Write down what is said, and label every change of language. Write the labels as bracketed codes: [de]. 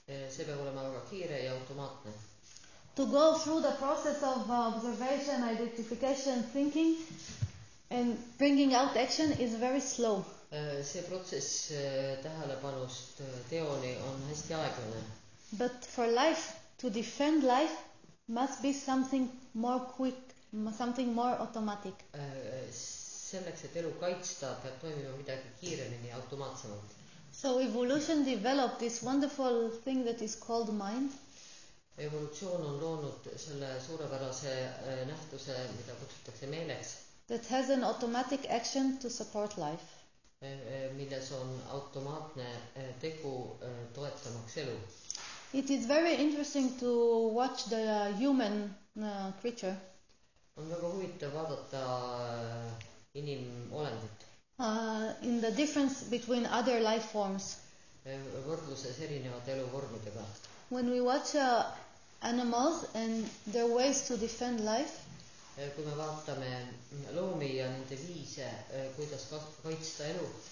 [et] See peab olema väga kiire ja automaatne. [en] To go through the process of observation, identification, thinking and bringing out action is very slow. [et] See protsess tähelepanust teoni on hästi aeglane. [en] But for life, to defend life must be something more quick, something more automatic. [et] Selleks, et elu kaitsta, peab toimima midagi kiiremini ja automaatsemalt. [en] So evolution developed this wonderful thing that is called mind. [et] Evolutsioon on loonud selle suurepärase nähtuse, mida kutsutakse meeleks. [en] That has an automatic action to support life. [et] Milles on automaatne tegu toetamaks elu. [en] It is very interesting to watch the human creature. [et] On väga huvitav vaadata inimolendit. [en] In the difference between other life forms. [et] Võrdluses erinevad elu vormidega. [en] When we watch animals and their ways to defend life. [et] Kui me vaatame loomi ja nende viise, kuidas kaitsta elu.